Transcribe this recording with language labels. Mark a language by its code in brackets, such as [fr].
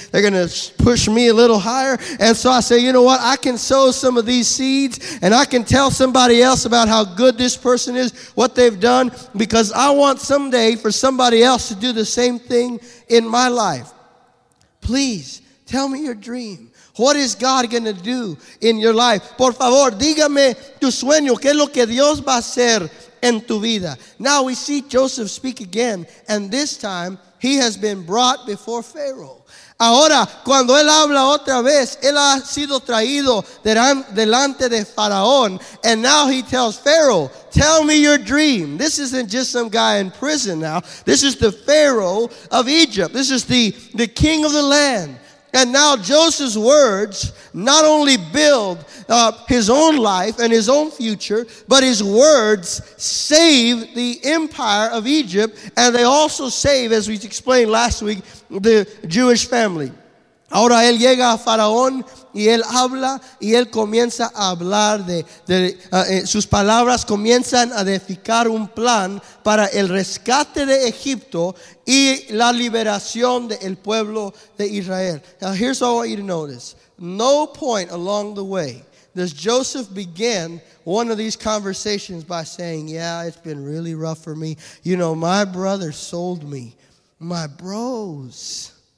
[en] They're going to push me a little higher, and so I say, you know what, I can sow some of these seeds and I can tell somebody else about how good this person is, what they've done, because I want someday for somebody else to do the same thing in my life. Please tell me your dream. What is God going to do in your life? [es] Por favor, dígame tu sueño. ¿Qué es lo que Dios va a hacer en tu vida? [en] Now we see Joseph speak again, and this time he has been brought before Pharaoh. [es] Ahora, cuando él habla otra vez, él ha sido traído delante de Faraón. [en] And now he tells Pharaoh, tell me your dream. This isn't just some guy in prison now. This is the Pharaoh of Egypt. This is the king of the land. And now Joseph's words not only build his own life and his own future, but his words save the empire of Egypt, and they also save, as we explained last week, the Jewish family. [es] Ahora él llega a Faraón y él habla y él comienza a hablar sus palabras comienzan a edificar un plan para el rescate de Egipto y la liberación del pueblo de Israel. [en] Now here's what I want you to notice. No point along the way does Joseph begin one of these conversations by saying, yeah, it's been really rough for me. You know, my brother sold me. My bros.